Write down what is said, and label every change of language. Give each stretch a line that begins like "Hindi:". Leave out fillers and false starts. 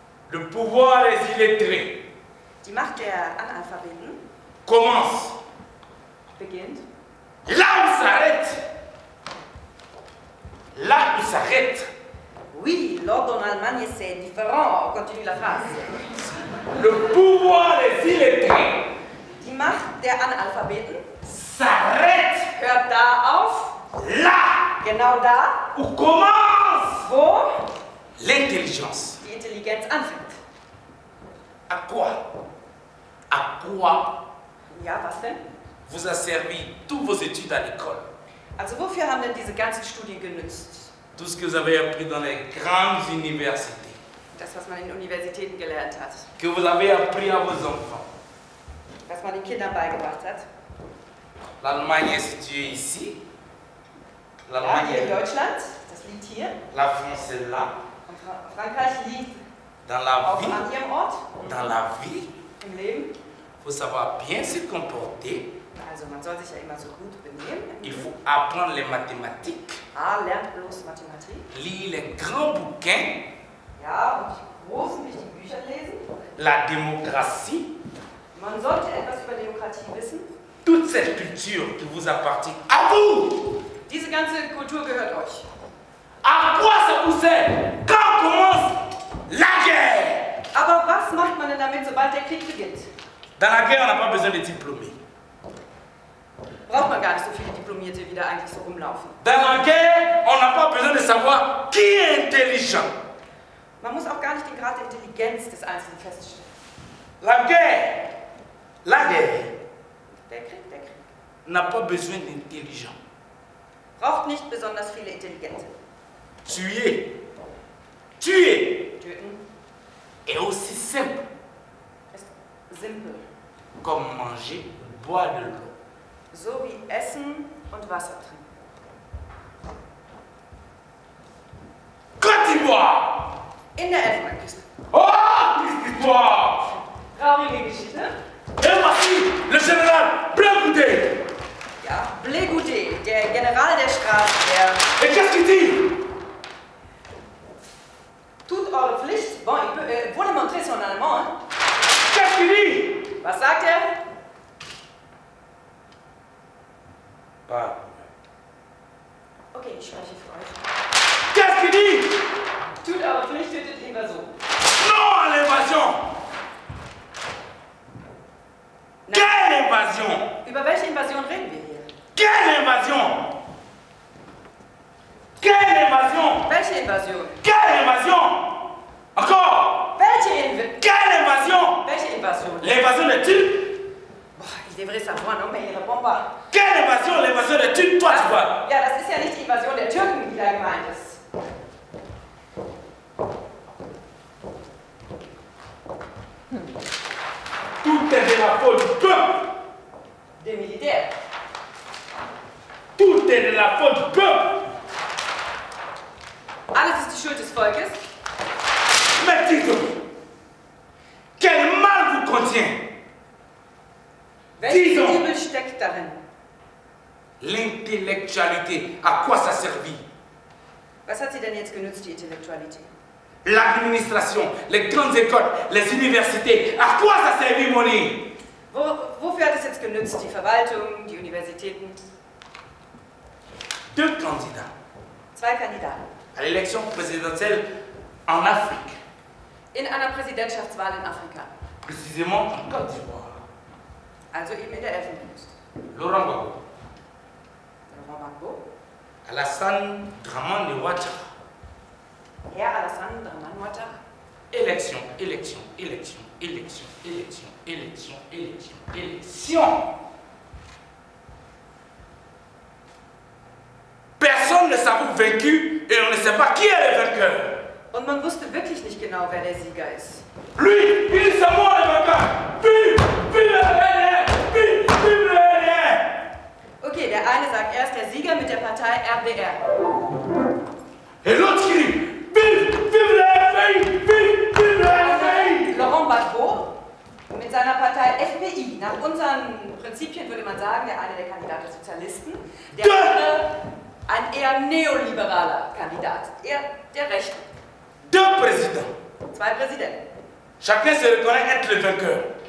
French: Le pouvoir est illettré.
German: Die Macht der Analphabeten.
French: Commence.
German: Beginnt.
French: Là où s'arrête. Là où s'arrête. Oui, l'ordre en Allemagne c'est différent. On continue la phrase. Le pouvoir est illettré.
German: Die Macht der Analphabeten.
French: S'arrête.
German: Hört da auf.
French: Là.
German: Genau da.
French: Où commence.
German: Wo.
French: L'intelligence.
German: Die Intelligenz anfängt.
French: À quoi. À quoi.
German: Ja, was denn?
French: Vous a servi toutes vos études à l'école.
German: Also wofür haben denn diese ganzen Studien genützt?
French: Tout ce que vous avez appris dans les grandes universités.
German: Das, was man in Universitäten gelernt hat.
French: Que vous avez appris à vos enfants.
German: Was man den Kindern beigebracht hat.
French: L'Allemagne est située ici. L'Allemagne est Deutschland.
German: Das liegt hier.
French: La France est là.
German: Frankreich liegt.
French: Dans la vie.
German: An ihrem Ort.
French: Dans la vie.
German: Im Leben.
French: Faut savoir bien se comporter.
German: Also man soll sich ja immer so gut benehmen.
French: Il faut apprendre les mathématiques.
German: Ah, lernt bloß Mathematik.
French: Lire les grands bouquins.
German: Ja, und die großen wichtigen Bücher lesen.
French: La démocratie.
German: Man sollte etwas über Demokratie wissen.
French: Toute cette culture qui vous appartient, à vous!
German: Diese ganze Kultur gehört euch.
French: À quoi ça vous sert? Quand commence la guerre?
German: Aber was macht man denn damit, sobald der Krieg beginnt?
French: Dans la guerre, on n'a pas besoin de diplômés.
German: Braucht man gar nicht so viele Diplomierte, wie da eigentlich so rumlaufen.
French: Dans la guerre, on n'a pas besoin de savoir qui est intelligent.
German: Man muss auch gar nicht den Grad der Intelligenz des Einzelnen feststellen.
French: La guerre, la guerre.
German: Der Krieg
French: n'a pas besoin d'intelligent.
German: Braucht nicht besonders viele Intelligente.
French: Tuer, tuer.
German: Töten.
French: Est aussi simple.
German: Ist simpel.
French: Comme manger, boire de l'eau.
German: So wie essen und Wasser trinken.
French: Côte d'Ivoire.
German: In der Elfenbeinküste.
French: Oh, Côte d'Ivoire.
German: Traurige Geschichte.
French: Et voici le général Blé Goudé.
German: Ja, Blé Goudé, der General der Straße, der...
French: Et qu'est-ce qu'il dit?
German: Toute eure Pflicht.
French: Bon, il peut, vous le montrez son allemand. Qu'est-ce qu'il dit?
German: Was sagt er?
French: Pas.
German: Ok, ich spreche für euch.
French: Qu'est-ce qu'il dit?
German: Toute eure Pflicht, tötet l'invasion.
French: Non à l'invasion! Quelle invasion?
German: Über welche Invasion reden wir hier?
French: Quelle invasion? Quelle invasion?
German: Welche Invasion?
French: Quelle invasion? Encore?
German: Welche Invasion?
French: Quelle invasion?
German: Welche Invasion?
French: L'invasion des Turcs? Boah, il devrait savoir, non, mais il répond pas. Quelle invasion? L'invasion des Turcs, toi,
German: das,
French: tu vois?
German: Ja, das ist ja nicht die Invasion der Türken, die da gemeint ist.
French: Tout est de la faute du peuple. Des militaires. Tout est de la faute du peuple.
German: Alles ist die Schuld des Volkes.
French: Mais dites-vous, quel mal vous contient.
German: Welche Bibel steckt darin?
French: L'intellectualité, à quoi ça servit?
German: Was hat sie denn jetzt genutzt, die Intellektualität?
French: L'administration, les grandes écoles, les universités, à quoi ça servit, Moni?
German: Wofür hat es jetzt genützt, die Verwaltung, die Universitäten?
French: Deux candidats.
German: Zwei Kandidaten.
French: À l'élection présidentielle en Afrique.
German: In einer Präsidentschaftswahl in Afrika.
French: Précisément en Côte d'Ivoire.
German: Also eben in der Elfenbeinküste.
French: Laurent Gbagbo. Laurent Gbagbo. Alassane Dramane Ouattara.
German: Herr Alassane Dramane Ouattara.
French: Élection, élection, élection, élection, élection, élection, élection, élection. Personne ne s'avoue vaincu et on ne sait pas qui est le vainqueur.
German: Und man wusste wirklich nicht genau, wer der Sieger ist.
French: Lui, il est moi le vainqueur. Vive, vive le PNR, vive, vive le
German: Partei RDR.
French: Et l'autre crie, vive la FPI, vive la FPI.
German: Laurent Gbagbo, mit seiner Partei FPI. Nach unseren Prinzipien würde man sagen, der eine der Kandidaten der Sozialisten, der andere ein eher neoliberaler Kandidat, eher der Rechte.
French: Deux présidents.
German: Zwei Präsidenten.
French: Chacun se reconnaît être le vainqueur.